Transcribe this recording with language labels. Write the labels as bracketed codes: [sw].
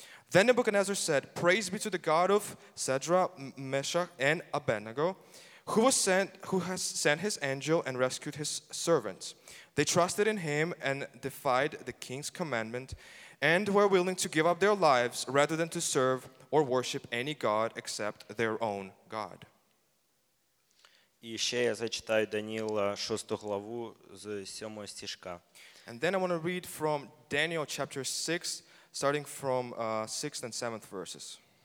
[en] Then Nebuchadnezzar said, "Praise be to the God of Shadrach, Meshach, and Abednego, who has sent his angel and rescued his servants. They trusted in him and defied the king's commandment, and were willing to give up their lives rather than to serve or worship any god except their own god." [uk] І ще я зачитаю Даніла 6 главу з 7 стишка. [en] And then I want to read from Daniel chapter 6, starting from 6th and 7th verses.